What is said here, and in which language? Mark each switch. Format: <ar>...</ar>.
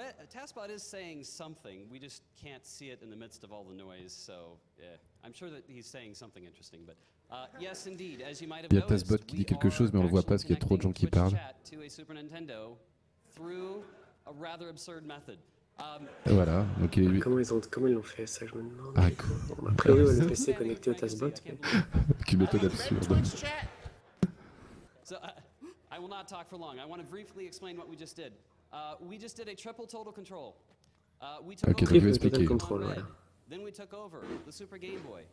<en>Taskbot is saying something. We just can't see it in the midst of all the noise. So, I'm sure that he's saying something interesting. But yes, indeed, as you might have noticed,</en> <fr>Taskbot qui dit quelque chose, mais on le voit pas parce qu'il y a trop de gens qui parlent.</fr> <en>Super Nintendo through a rather absurd method. Voilà. Donc</en> <fr>il... comment ils l'ont fait ça, je me demande. Ah, cool. Après, on a priori, le PC connecté au Taskbot. Quelle méthode absurde.</fr> <en>So, I will not talk for long. I want to briefly explain what we just did. We just did a triple total control. We took okay, over the total control. Voilà. Then we took over the Super Game Boy.</en>